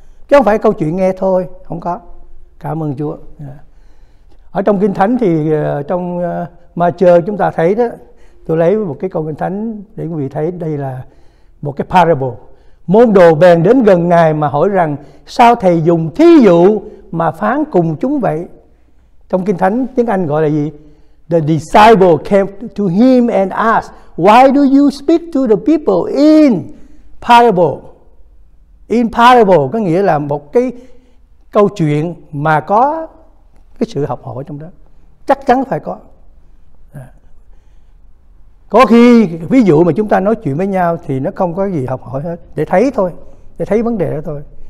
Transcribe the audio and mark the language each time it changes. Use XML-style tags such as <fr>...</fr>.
<vi>Chứ không phải câu chuyện nghe thôi, không có. Cảm ơn Chúa. Ở trong Kinh Thánh thì trong Ma-chơ chúng ta thấy đó, tôi lấy một cái câu Kinh Thánh để quý vị thấy đây là một cái parable. Môn đồ bèn đến gần Ngài mà hỏi rằng sao Thầy dùng thí dụ mà phán cùng chúng vậy? Trong Kinh Thánh tiếng Anh gọi là gì?</vi> <en>The disciple came to him and asked, why do you speak to the people in parable?</en> <vi>In parable có nghĩa là một cái câu chuyện mà có cái sự học hỏi trong đó. Chắc chắn phải có. Có khi ví dụ mà chúng ta nói chuyện với nhau thì nó không có gì học hỏi hết, để thấy thôi, để thấy vấn đề đó thôi.</vi>